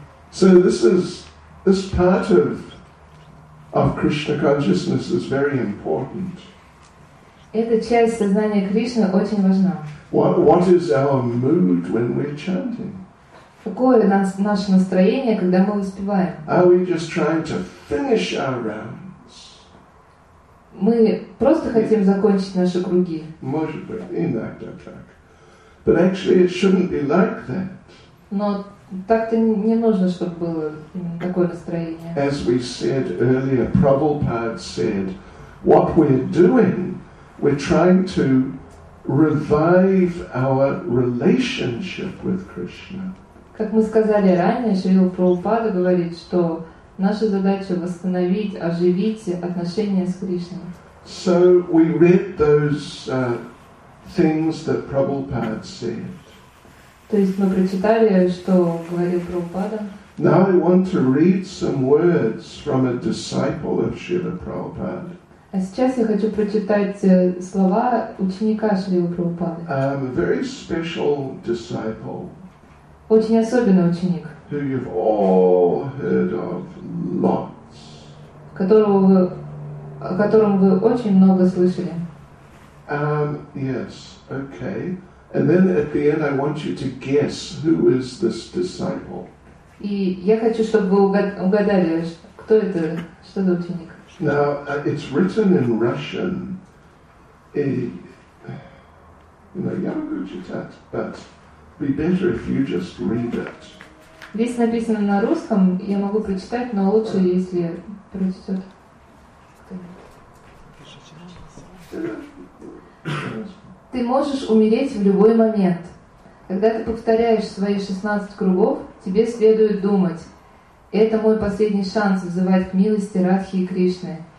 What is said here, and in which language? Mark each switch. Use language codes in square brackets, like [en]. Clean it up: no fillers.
[en] So this part of Krishna consciousness is very important. [ru] Эта часть сознания Кришны очень важна. [en] What is our mood when we're chanting? [ru] Какое наше настроение, когда мы воспеваем? [en] Are we just trying to finish our rounds? [ru] Мы просто хотим закончить наши круги. Может быть, иногда так. [en] But actually, it shouldn't be like that. [ru] Но так-то не нужно, чтобы было именно такое настроение. [en] As we said earlier, Prabhupada said, what we're doing. We're trying to revive our relationship with Krishna. [ru] Как мы сказали ранее, Шрила Прабхупада говорит, что наша задача восстановить, оживить отношения с Кришной. [en] So we read those things that Prabhupada said. [ru] То есть мы прочитали, что говорил Прабхупада. [en] Now I want to read some words from a disciple of Шрила Прабхупада. [ru] А сейчас я хочу прочитать слова ученика Шрилы Прабхупады. [en] Very special disciple. [ru] Очень особенный ученик. [en] Who you've all heard of lots. [ru] О котором вы очень много слышали. [en] Yes, okay. And then at the end I want you to guess who is this disciple. [ru] И я хочу, чтобы вы угадали, кто это, что за ученик. [en] Now, it's written in Russian, [ru] я могу читать, [en] but be better if you just read it. [ru] Весь написано на русском, я могу прочитать, но лучше, если прочитает кто-нибудь. Ты можешь умереть в любой момент. Когда ты повторяешь свои 16 кругов, тебе следует думать: это мой последний шанс взывать к милости Радхи и Кришны.